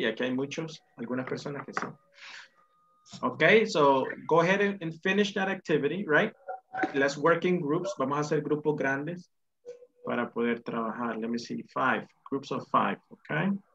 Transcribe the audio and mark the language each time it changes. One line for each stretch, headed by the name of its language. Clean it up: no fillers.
Spanish: Y aquí hay muchos, algunas personas que sí.
English: Okay, so go ahead and finish that activity, right? Let's work in groups.
Spanish: Vamos a hacer grupos grandes para poder trabajar.
English: Let me see, 5, groups of 5, okay?